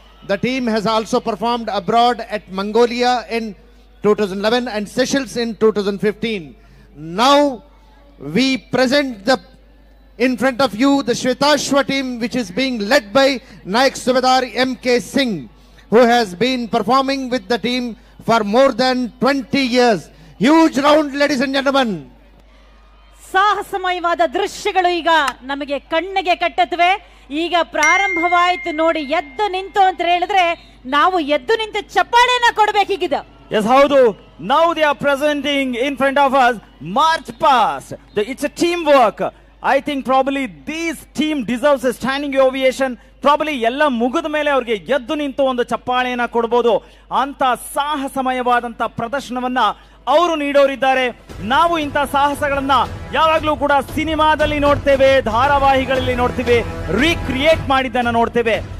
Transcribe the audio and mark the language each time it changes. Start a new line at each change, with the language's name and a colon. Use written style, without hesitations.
English: The team has also performed abroad at Mongolia in 2011 and Seychelles in 2015. Now we present the in front of you the Shvetashwa team, which is being led by Naik Subedar M.K. Singh, who has been performing with the team for more than 20 years. Huge round, ladies and gentlemen.
Kannada: ಸಾಹಸಮಯವಾದ ದೃಶ್ಯಗಳು ಈಗ ನಮಗೆ ಕಣ್ಣಿಗೆ ಕಟ್ಟತ್ವೆ. ಈಗ ಪ್ರಾರಂಭವಾಯಿತು ನೋಡಿ, ಎದ್ದು ನಿಂತು ಅಂತ ಹೇಳಿದ್ರೆ ನಾವು ಎದ್ದು ನಿಂತು ಚಪ್ಪಾಳೆನ ಕೊಡಬೇಕಿದೆ.
English: Yes, how do? Now they are presenting in front of us march past. It's a teamwork. I think probably this team deserves a standing ovation.
Kannada: Probably ಎಲ್ಲ ಮುಗಿದ ಮೇಲೆ ಅವ್ರಿಗೆ ಎದ್ದು ನಿಂತು ಒಂದು ಚಪ್ಪಾಳೆನ ಕೊಡಬಹುದು. ಅಂತ ಸಾಹಸಮಯವಾದಂತಹ ಪ್ರದರ್ಶನವನ್ನ ಅವರು ನೀಡೋರಿದ್ದಾರೆ. ನಾವು ಇಂತ ಸಾಹಸಗಳನ್ನ ಯಾವಾಗ್ಲೂ ಕೂಡ ಸಿನಿಮಾದಲ್ಲಿ ನೋಡ್ತೇವೆ, ಧಾರಾವಾಹಿಗಳಲ್ಲಿ ನೋಡ್ತೇವೆ, ರೀಕ್ರಿಯೇಟ್ ಮಾಡಿದ್ದನ್ನ ನೋಡ್ತೇವೆ.